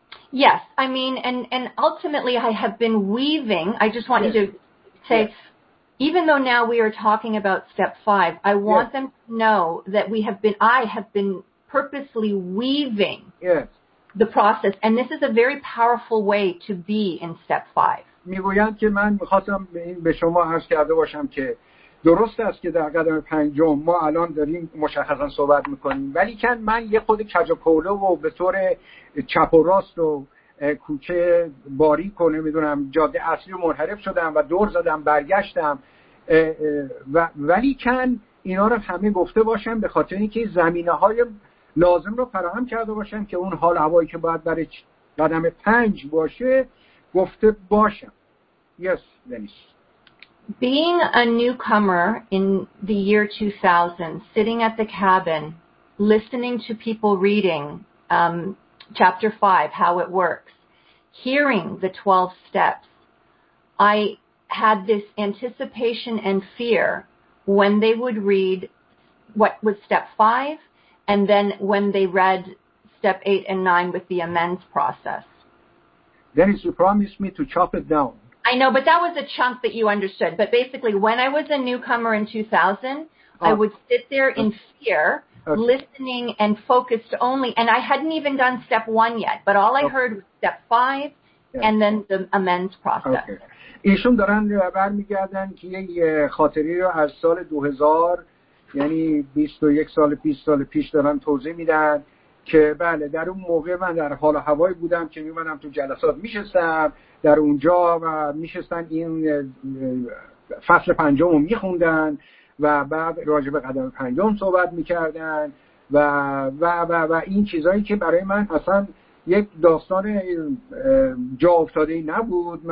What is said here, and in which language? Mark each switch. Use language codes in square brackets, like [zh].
[en] Yes, I mean and ultimately I have been weaving. I just want yes. you to say yes. Even though now we are talking about step 5, I want yes. them to know that I have been purposely weaving yes. the process, and this is a very powerful way to be in step 5. [fa] میگویند که من می‌خواستم به شما عرض کرده باشم که درست است که در قدم پنجم ما الان داریم مشخصا صحبت می‌کنیم، ولی که من یه خود کج و کوله و به طور چپ و راست و کوچه باری کنه میدونم جاده اصلی رو منحرف شدم و دور زدم برگشتم و ولی کن اینا رو همه گفته باشم به خاطر اینکه زمینه های لازم رو فراهم کرده باشم که اون حال هوایی که باید برای قدم 5 باشه گفته باشم. [en] Yes, Dennis. Being a newcomer in the year 2000, sitting at the cabin listening to people reading Chapter 5, How It Works, hearing the 12 steps, I had this anticipation and fear when they would read what was step 5 and then when they read step 8 and 9 with the amends process. Dennis, you promised me to chop it down. I know, but that was a chunk that you understood. But basically, when I was a newcomer in 2000, I would sit there in fear, listening and focused only. And I hadn't even done step one yet, but all I heard was step five and then the amends process. [fa] ایشون دارن برمیگردن که یه خاطری رو از سال 2000 یعنی 21 سال 20 سال پیش دارن توضیح میدن که بله در اون موقع من در حال و هوایی بودم که میومدم تو جلسات میشستم در اونجا و میشستن این فصل پنجم رو میخوندن و بعد راجع به قدم پنجم صحبت میکردن و و و و این چیزایی که برای من اصلا یک داستان جا افتاده‌ای نبود.